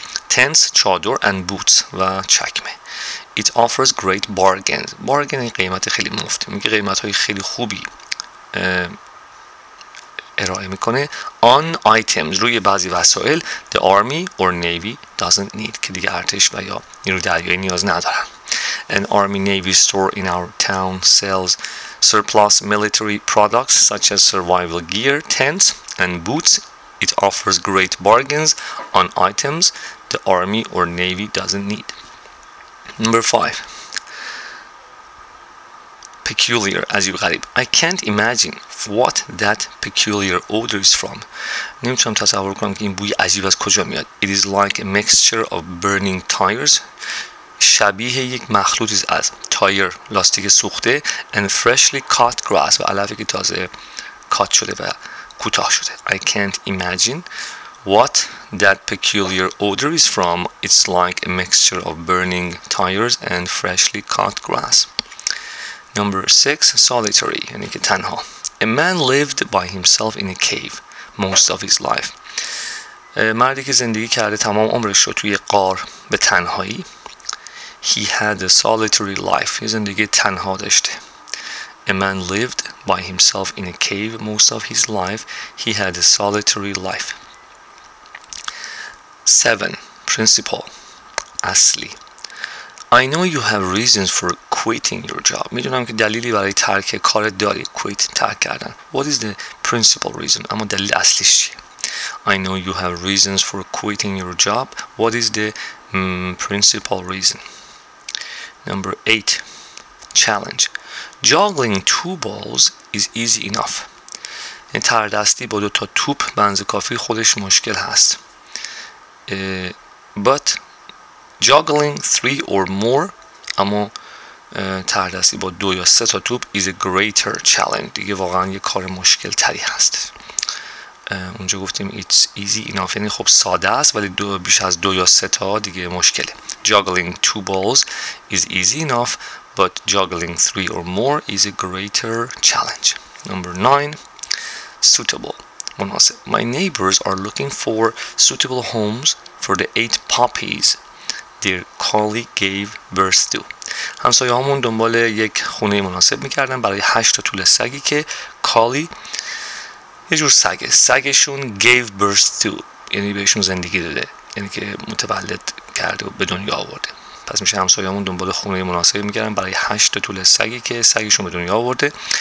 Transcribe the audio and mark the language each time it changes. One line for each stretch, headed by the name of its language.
English: Tents,
Persian: چادر
English: and boots
Persian: و چکمه.
English: It offers great bargains.
Persian: Bargain این قیمت خیلی مفته. میگه قیمت های خیلی خوبی ارائه میکنه.
English: On items
Persian: روی بعضی وسایل
English: the army or navy doesn't need
Persian: که دیگه ارتش و یا نیروی دریایی نیاز ندارن.
English: An army navy store in our town sells surplus military products such as survival gear, tents and boots. It offers great bargains on items the army or navy doesn't need. Number 5. Peculiar,
Persian: عجیب غریب.
English: I can't imagine what that peculiar odor is from.
Persian: نمیتونم تصور کنم که این بوی عجیب از کجا میاد.
English: It is like a mixture of burning tires.
Persian: شبیه یک مخلوطی از تایر لاستیک سوخته
English: and freshly cut grass
Persian: و علفی که تازه کات شده و کوتاه شده
English: I can't imagine what that peculiar odor is from it's like a mixture of burning tires and freshly cut grass Number 6 solitary
Persian: یعنی که تنها
English: A man lived by himself in a cave most of his life
Persian: مردی که زندگی کرده تمام عمرش رو توی غار به تنهایی
English: He had a solitary life.
Persian: یه زندگی تنها داشته.
English: A man lived by himself in a cave most of his life. He had a solitary life. 7. Principle.
Persian: اصلی.
English: I know you have reasons for quitting your job.
Persian: میدونم که دلیلی برای ترک کارت داری.
English: Quit.
Persian: ترک کردن.
English: What is the principal reason?
Persian: اما دلیل اصلیش چیه؟
English: I know you have reasons for quitting your job. What is the principal reason? Number 8 challenge juggling two balls is easy enough
Persian: این تردستی با دو تا توپ به اندازه کافی خودش مشکل هست
English: but juggling three or more
Persian: اما تردستی با دو یا سه تا توپ
English: is a greater challenge
Persian: دیگه واقعا یه کار مشکل تری هست اونجا گفتیم
English: it's easy enough
Persian: یعنی خب ساده است ولی دو بیش از دو یا سه تا دیگه مشکله
English: Juggling two balls is easy enough, but juggling three or more is a greater challenge. Number 9. Suitable. My neighbors are looking for suitable homes for the 8 puppies their colleague gave birth to.
Persian: همسایه همون دنبال یک خونه مناسب میکردن برای 8 تا توله سگی که کالی یه جور سگه. سگشون
English: gave birth to
Persian: یعنی بهشون زندگی داده، یعنی که متولد کرده و به دنیا آورده. پس میشه همسایه همون دنبال خونه مناسب میکردن برای 8 تا توله سگی که سگشون به دنیا آورده.